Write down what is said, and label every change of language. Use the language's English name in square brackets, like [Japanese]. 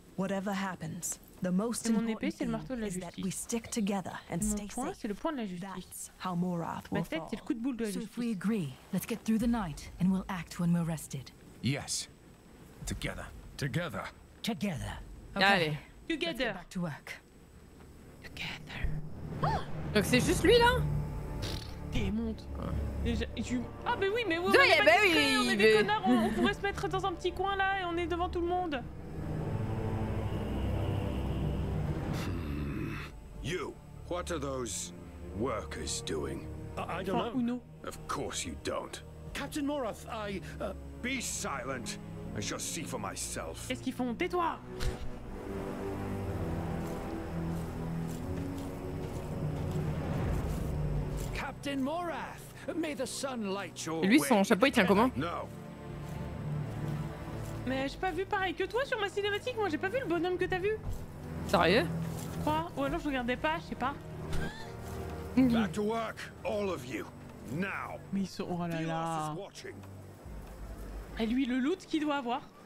[English] Whatever happens, the most important thing is that we stick together and stay safe. [French] Mon point, c'est le point de la justice. [English] How Morath will fall. [French] Ma tête, c'est le coup de boule de la justice. [English] So if we agree, let's get through the night and we'll act when we're rested. Yes. Together. Together. Together. [French] Okay. Allez. [English] Together. Let's get back to work. [French] Donc c'est juste lui là? Démonte. Ah mais oui, mais vous voyez, on est des connards, on pourrait se mettre dans un petit coin là et on est devant tout le monde. [English] You, what are those workers doing? I don't know. Uno. Of course you don't. Captain Morath, I be silent. I shall see for myself. [French] Qu'est-ce qu'ils font? Tais-toi. [English] Captain Morath, may the sun light your way. [French] Et lui, son chapeau, il tient comment? Mais j'ai pas vu pareil que toi sur ma cinématique, moi j'ai pas vu le bonhomme que t'as vu. Sérieux? Quoi? Ou alors je regardais pas, je sais pas. [English] Back to work, all of you, now. [French] Mais ils sont... Oh là là. Et lui, le loot qu'il doit avoir.